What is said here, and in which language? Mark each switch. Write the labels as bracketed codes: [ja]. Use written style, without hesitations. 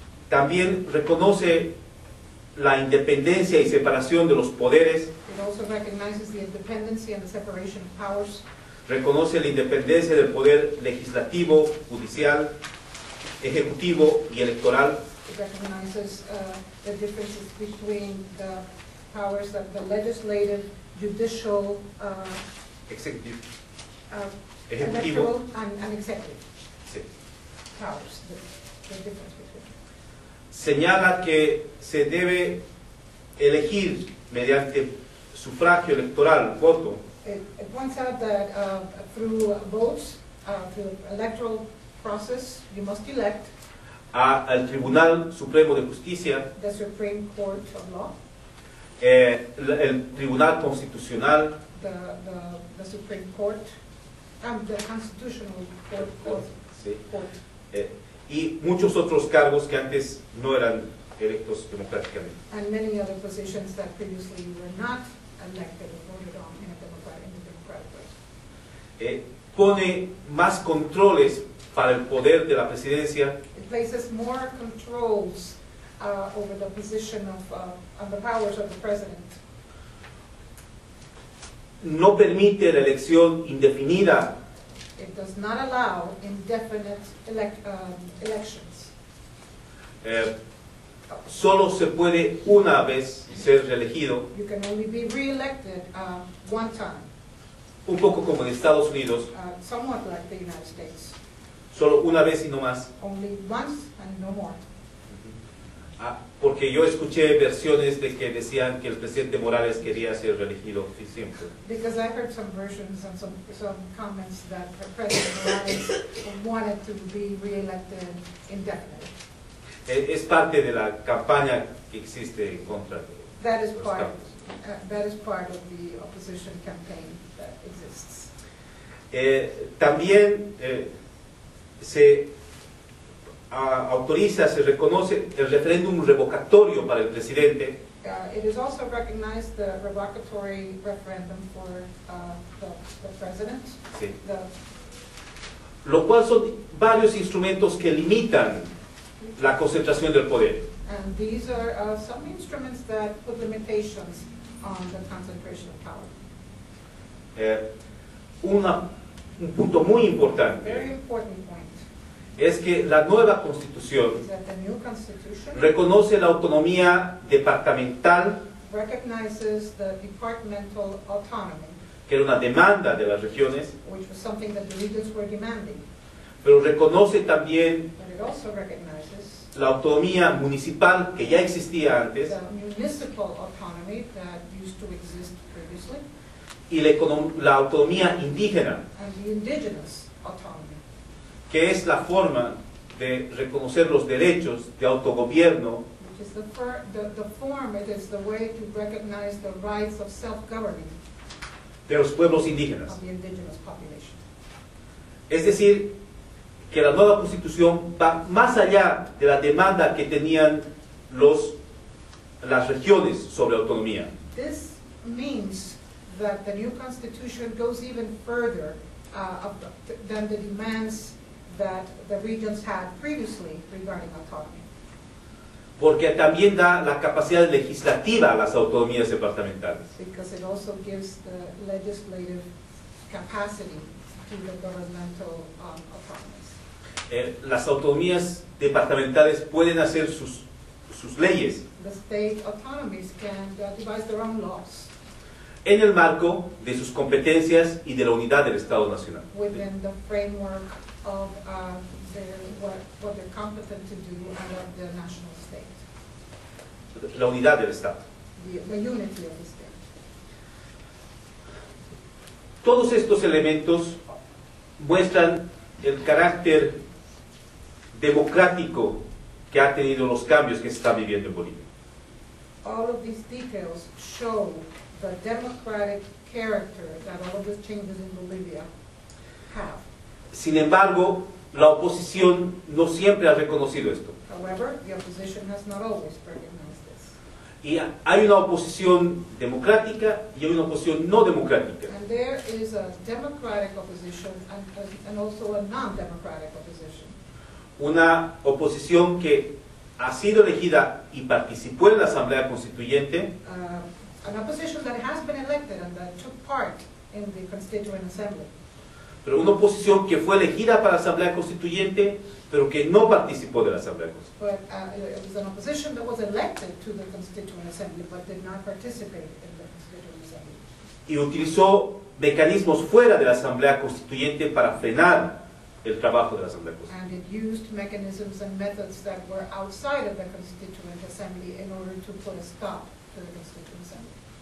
[es] También reconoce la independencia y separación de los poderes. [en] It also recognizes the independence and the separation of powers. [es] Reconoce la independencia del poder legislativo, judicial, ejecutivo y electoral. [en] It recognizes the differences between the powers of the legislative, judicial, executive, [es] ejecutivo, [en] and executive. [es] Sí. [en] Powers, the difference between. [es] Señala que se debe elegir mediante sufragio electoral, voto. [en] It points out that through votes, through electoral process, you must elect [es] al Tribunal Supremo de Justicia, [en] the Supreme Court of Law, [es] el Tribunal Constitucional, [en] the Supreme Court, and the Constitutional Court. [es] Sí. [en] Court. [es] y muchos otros cargos que antes no eran electos democráticamente. [en] And many other positions that previously were not elected or voted on in a democratic way. [es] Pone más controles para el poder de la presidencia. [en] It places more controls over the position of on the powers of the president. [es] No permite la elección indefinida. [en] It does not allow indefinite elections. [es] Solo se puede una vez ser reelegido. [en] You can only be re-elected one time. [es] Un poco como en Estados Unidos. [en] Somewhat like the United States. [es] Solo una vez y no más. [en] Only once and no more. [es] Porque yo escuché versiones de que decían que el presidente Morales quería ser reelegido siempre. [en] Because I heard some versions and some comments that President Morales wanted to be re-elected indefinitely. [es] Es parte de la campaña que existe en contra de [en] that is part of the opposition campaign that exists. [es] También se autoriza, se reconoce el referéndum revocatorio para el presidente. [en] It is also recognized the revocatory referendum for the president. [es] Sí. Lo cual son varios instrumentos que limitan la concentración del poder. [en] And these are some instruments that put limitations on the concentration of power. [es] Un punto muy importante. [en] Very important point. [es] Es que la nueva constitución reconoce la autonomía departamental, [en] recognizes the departmental autonomy, [es] que era una demanda de las regiones, [en] which was something that the regions were demanding, [es] pero reconoce también [en] but it also recognizes [es] la autonomía municipal que ya existía antes, [en] the municipal autonomy that used to exist previously, [es] y la autonomía indígena. [en] And the indigenous autonomy. [es] Que es la forma de reconocer los derechos de autogobierno. [en] Which is the form, it is the way to recognize the rights of self-governing. [es] De los pueblos indígenas. [en] Of the indigenous population. [es] Es decir, que la nueva constitución va más allá de la demanda que tenían las regiones sobre autonomía. [en] This means that the new constitution goes even further than the demands that the regions had previously regarding autonomy. [es] Porque también da la capacidad legislativa a las autonomías departamentales. [en] Because it also gives the legislative capacity to the governmental autonomies. [es] Las autonomías departamentales pueden hacer sus leyes. [en] The state autonomies can devise their own laws. [es] En el marco de sus competencias y de la unidad del Estado Nacional. [en] Within the framework of what they're competent to do under the national state. [es] La unidad del Estado. [en] The unity of the state. [es] Todos estos elementos muestran el carácter democrático que ha tenido los cambios que se están viviendo en Bolivia. [en] All of these details show the democratic character that all of the changes in Bolivia have. [es] Sin embargo, la oposición no siempre ha reconocido esto. [en] However, the opposition has not always recognized this. [es] Y hay una oposición democrática y hay una oposición no democrática. [en] And there is a democratic opposition and also a non-democratic opposition. [es] Una oposición que ha sido elegida y participó en la Asamblea Constituyente. [en] An opposition that has been elected and that took part in the Constituent Assembly. [es] Pero una oposición que fue elegida para la Asamblea Constituyente, pero que no participó de la Asamblea Constituyente. [en] But it was an opposition that was elected to the Constituent Assembly, but did not participate in the Constituent Assembly. [es] Y utilizó mecanismos fuera de la Asamblea Constituyente para frenar el trabajo de la Asamblea Constituyente. [en] And it used mechanisms and methods that were outside of the Constituent Assembly in order to put a stop to the Constituent Assembly.